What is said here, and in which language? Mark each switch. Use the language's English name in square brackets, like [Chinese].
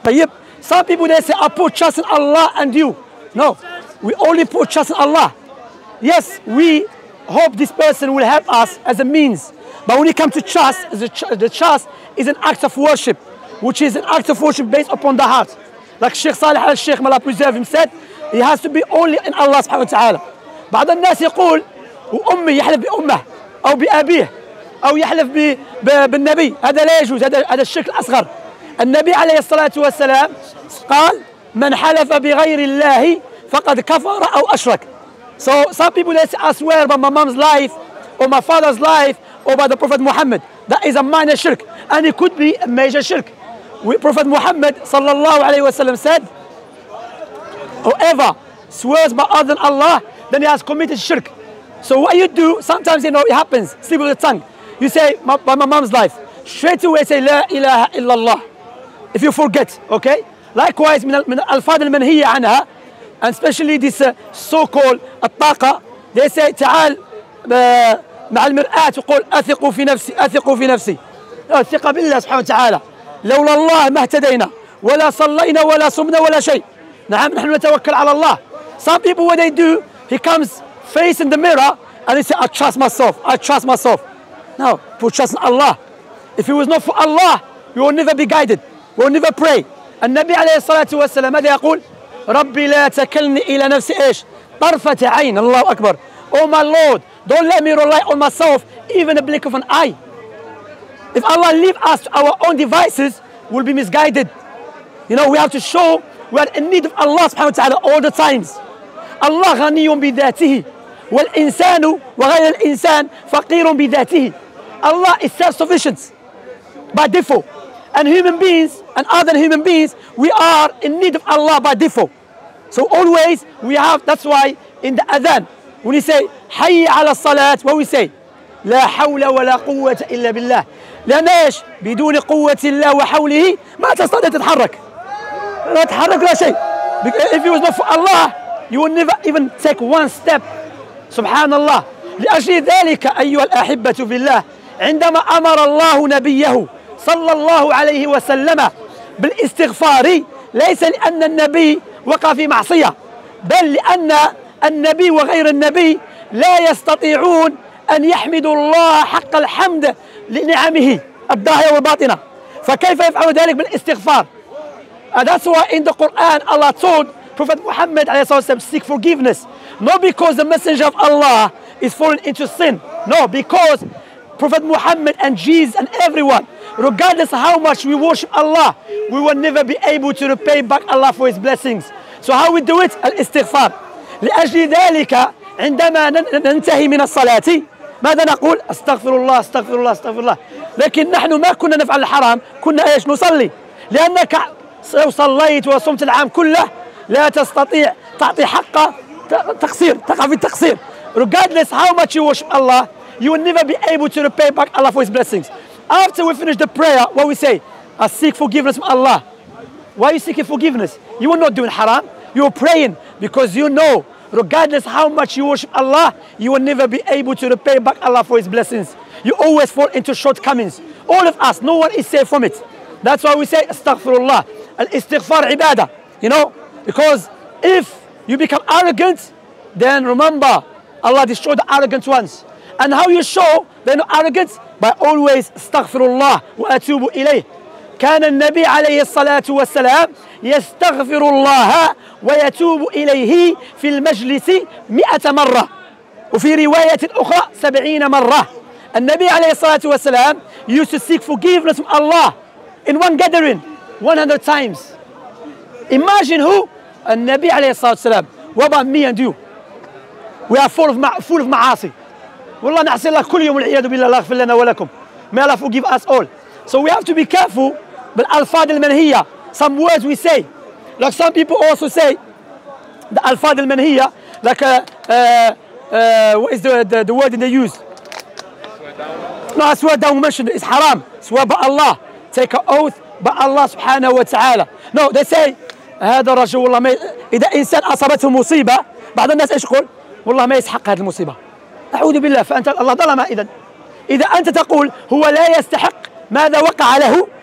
[Arabic] طيب [English] some people they say I put trust in Allah and you. No, we only put trust in Allah. Yes, we hope this person will help us as a means. But when it comes to trust, the trust is an act of worship, which is an act of worship based upon the heart. Like Sheikh Saleh al-Sheikh may Allah preserve him said, it has to be only in Allah subhanahu wa ta'ala. [Arabic] بعض الناس يقول وأمي يحلف بأمه أو بأبيه أو يحلف بالنبي، هذا لا يجوز، هذا الشرك الأصغر. النبي عليه الصلاة والسلام قال من حلف بغير الله فقد كفر أو أشرك. [English] So some people they say I swear by my mom's life or my father's life or by the Prophet Muhammad. That is a minor shirk and it could be a major shirk. Prophet Muhammad [Arabic] صلى الله عليه وسلم [English] said whoever swears by other than Allah then he has committed shirk. So what you do, sometimes you know it happens, sleep with the tongue. You say by my mom's life, straight away say [Arabic] لا إله إلا الله. [English] If you forget, okay? Likewise [Arabic] من الألفاظ المنهية عنها [English] and especially this so-called [Arabic] الطاقة, [English] they say [Arabic] تعال مع المرآة تقول أثق في نفسي أثق في نفسي. ثقة بالله سبحانه وتعالى. لولا الله ما اهتدينا ولا صلينا ولا صمنا ولا شيء. نعم نحن نتوكل على الله. [English] Some people what they do, he comes face in the mirror and he says, I trust myself, I trust myself. No, put trust in Allah. If it was not for Allah, you will never be guided. You will never pray. And Nabi [Arabic] عليه الصلاة والسلام ماذا يقول؟ ربي لا تكلني إلى نفسي إيش؟ طرفة عين. الله أكبر. [English] Oh my Lord, don't let me rely on myself even a blink of an eye. If Allah leave us to our own devices, we'll be misguided. You know, we have to show we are in need of Allah subhanahu wa ta'ala all the times. [Arabic] الله غني بذاته والإنسان وغير الإنسان فقير بذاته. [English] Allah is self-sufficient by default. And human beings and other human beings, we are in need of Allah by default. So always we have, that's why in the adhan, when you say, [Arabic] حي على الصلاة, [English] what we say? [Arabic] لا حول ولا قوة إلا بالله. لأن إيش؟ بدون قوة الله وحوله ما تستطيع تتحرك. لا تحرك لا شيء. If it was not for Allah, you will never even take one step. سبحان الله. لأجل ذلك أيها الأحبة في الله عندما أمر الله نبيه صلى الله عليه وسلم بالاستغفار ليس لأن النبي وقع في معصية بل لأن النبي وغير النبي لا يستطيعون أن يحمدوا الله حق الحمد لنعمه الظاهرة والباطنة فكيف يفعل ذلك بالاستغفار. [English] That's why in the Quran Allah told Prophet Muhammad [Arabic] عليه الصلاة والسلام [English] seek forgiveness not because the messenger of Allah is fallen into sin, no, because Prophet Muhammad and Jesus and everyone, regardless how much we worship Allah, we will never be able to repay back Allah for His blessings. So how we do it? Al-istighfar. [Arabic] لأجل ذلك عندما ننتهي من الصلاة ماذا نقول؟ استغفر الله استغفر الله استغفر الله. لكن نحن ما كنا نفعل الحرام، كنا إيش؟ نصلي. لأنك لو صليت وصمت العام كله لا تستطيع تعطي حق تقصير، تقع في التقصير. [English] Regardless how much you worship Allah, you will never be able to repay back Allah for His blessings. After we finish the prayer, what we say? I seek forgiveness from Allah. Why are you seeking forgiveness? You are not doing haram. You are praying because you know, regardless how much you worship Allah, you will never be able to repay back Allah for His blessings. You always fall into shortcomings. All of us, no one is safe from it. That's why we say, Astaghfirullah. Al-istighfar ibadah. You know, because if you become arrogant, then remember, Allah destroyed the arrogant ones. And how you show they're not arrogant? By always [Arabic] استغفر الله وأتوب إليه. كان النبي عليه الصلاة والسلام يستغفر الله ويتوب إليه في المجلس 100 مرة وفي رواية أخرى 70 مرة. النبي عليه الصلاة والسلام [English] used to seek forgiveness from Allah in one gathering 100 times. Imagine who? [Arabic] النبي عليه الصلاة والسلام. [English] What about me and you? We are full of معاصي. [Arabic] والله نعصي الله كل يوم والعياذ بالله. الله اغفر لنا ولكم. [English] May Allah forgive us all. So we have to be careful [Arabic] بالألفاظ المنهية. [English] Some words we say. Like some people also say the [Arabic] ألفاظ المنهية. [English] Like what is the word they use? No, I swear down we mentioned it. It's haram. Swear by Allah. Take an oath by Allah [Arabic] سبحانه وتعالى. [English] No, they say [Arabic] هذا الرجل والله ما إذا إنسان أصابته مصيبة بعض الناس إيش يقول؟ والله ما يستحق هذه المصيبة. أعوذ بالله. فأنت الله ظلم. إذا أنت تقول هو لا يستحق ماذا وقع له